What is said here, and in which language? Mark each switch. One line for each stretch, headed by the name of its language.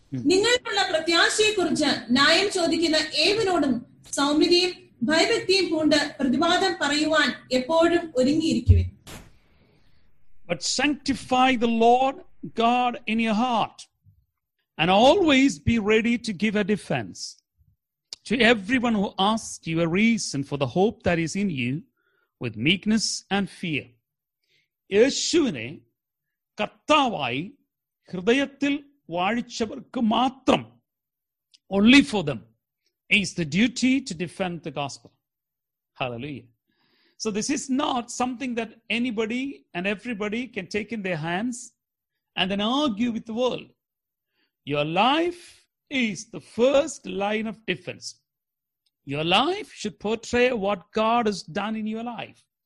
Malayalam: നിങ്ങൾക്കുള്ള പ്രത്യാശയെ കുറിച്ച് ന്യായം ചോദിക്കുന്ന ഏവനോടും സൗമ്യതയും ഭയഭക്തിയും പൂണ്ട് പ്രതിവാദം പറയുവാൻ എപ്പോഴും ഒരുങ്ങിയിരിക്കുവിൻ.
English: But sanctify the Lord God in your heart, and always be ready to give a defense to everyone who asks you a reason for the hope that is in you with meekness and fear.
Malayalam: യേശുവിനെ കർത്താവായി ഹൃദയത്തിൽ വാഴിച്ചവർക്ക് മാത്രം,
English: Only for them, is the duty to defend the gospel. Hallelujah. So this is not something that anybody and everybody can take in their hands and then argue with the world. Your life is the first line of defense. Your life should portray what God has done in your life.